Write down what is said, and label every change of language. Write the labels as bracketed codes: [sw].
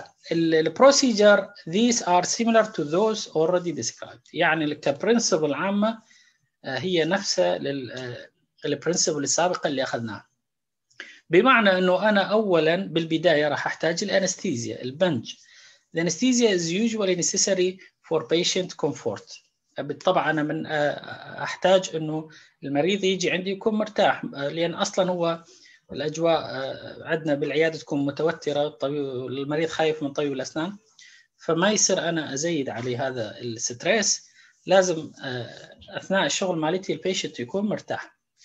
[ar] فالبروسيجر [en] these are similar to those already described، [ar] يعني كبرنسبل عامه هي نفسها لل البرنسبل السابقه اللي اخذناها. بمعنى انه انا اولا بالبدايه راح احتاج الانستيزيا البنج. [en] The anesthesia is usually necessary for patient comfort. [ar] بالطبع انا من احتاج انه المريض يجي عندي يكون مرتاح، لان اصلا هو الاجواء عندنا بالعياده تكون متوتره، الطبيب المريض خايف من طبيب الاسنان، فما يصير انا ازيد عليه هذا الستريس. لازم اثناء الشغل مالتي البيشنت يكون مرتاح.